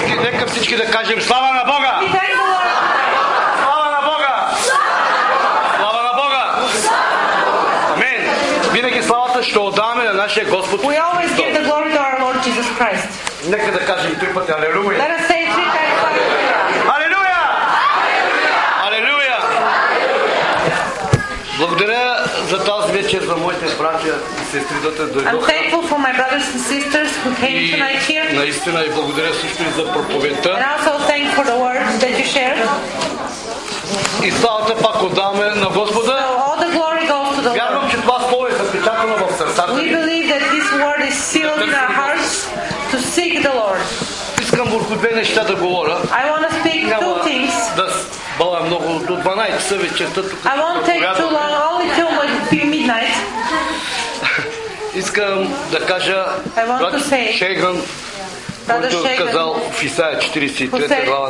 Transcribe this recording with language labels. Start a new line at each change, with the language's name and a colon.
Bulgarian: Нека всички да кажем слава на Бога! Слава на Бога! Слава на Бога! Амин! Винаги славата ще отдаваме на нашия Господ.
English: We always give the glory to our Lord Jesus Christ.
Bulgarian: Нека да кажем три пъти Алелуя!
English: Let us say three times
Bulgarian: Алелуя! Алелуя! Алелуя! Благодаря за тази вечер за моите братя.
English: I'm thankful for my brothers and sisters who came tonight here.
Bulgarian: Наистина и благодаря също за проповедта.
English: And also thank for the words that you shared.
Bulgarian: И славата пак отдаваме на Господа.
English: All the glory goes to the Lord.
Bulgarian: Вярвам, че това слово е запечатано в сърцата.
English: We believe that this word is sealed in our hearts to seek the Lord.
Bulgarian: Искам върху две неща да говоря.
English: I want to speak two things.
Bulgarian: Да бъдам много до 12 часа вечерта тук.
English: I won't take too long, only till midnight.
Bulgarian: Искам да кажа брат Шейган, който е казал в Исаия 43 глава.